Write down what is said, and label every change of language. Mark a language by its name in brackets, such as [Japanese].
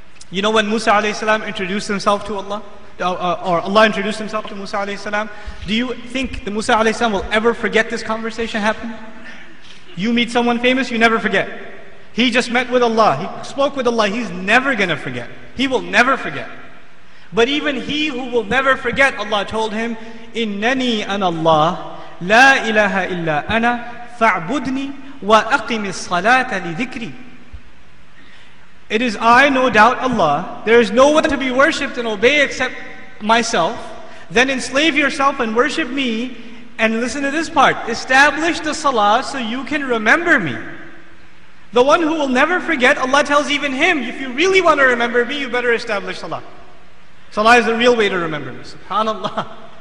[English] You know when Musa alayhi salam introduced himself to Allah? Or Allah introduced himself to Musa alayhi salam? Do you think the Musa alayhi salam will ever forget this conversation happened? You meet someone famous, you never forget. He just met with Allah. He spoke with Allah. He's never going to forget. He will never forget. But even he who will never forget, Allah told him, [Arabic] إِنَّنِي أَنَ اللَّهِ لَا إِلَهَ إِلَّا أَنَا فَاعْبُدْنِي وَأَقِمِ الصَّلَاةَ لِذِكْرِي. [English] It is I, no doubt, Allah. There is no one to be worshipped and obeyed except myself. Then enslave yourself and worship me. And listen to this part. Establish the salah so you can remember me. The one who will never forget, Allah tells even him, if you really want to remember me, you better establish salah. Salah is the real way to remember me. Subhanallah.